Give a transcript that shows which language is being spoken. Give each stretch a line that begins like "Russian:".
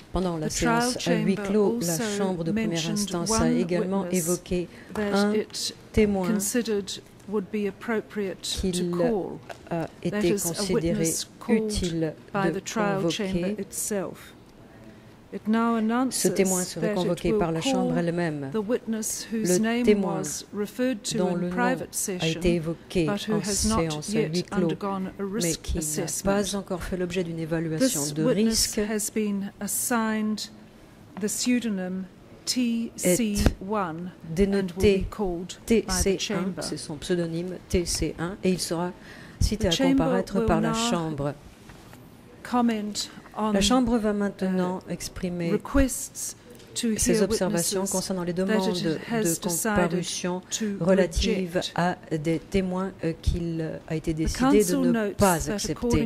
French: pendant la séance à huis clos, la chambre de première instance a également évoqué un témoin
English: would be appropriate to call. That is a witness called by the trial chamber itself. It now announces that it will call the witness whose name was referred to in private session but who has not yet undergone a risk assessment. This witness has been assigned the pseudonym TC1 and will be called by the chamber.
French: C'est son pseudonyme TC1 et il sera cité à comparaître par la chambre. La chambre va maintenant exprimer ses observations concernant les demandes de comparution relatives à des témoins qu'il a été décidé de ne pas accepter.